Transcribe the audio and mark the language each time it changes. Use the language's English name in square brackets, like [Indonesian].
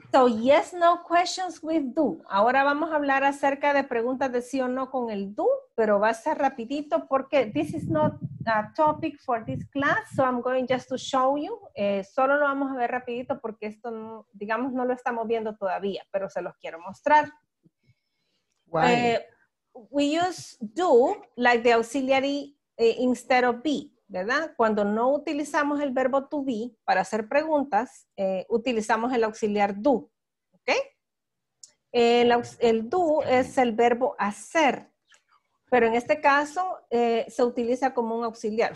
[English] So, yes, no questions with do. [Spanish] Ahora vamos a hablar acerca de preguntas de sí o no con el do, pero va a ser rapidito porque [English] this is not a topic for this class, so I'm going just to show you. [Spanish] Solo lo vamos a ver rapidito porque esto, no, digamos, no lo estamos viendo todavía, pero se los quiero mostrar. [English] We use do like the auxiliary instead of be. [Spanish] ¿Verdad? Cuando no utilizamos el verbo to be para hacer preguntas, utilizamos el auxiliar do. ¿Ok? El do es el verbo hacer. Pero en este caso, se utiliza como un auxiliar.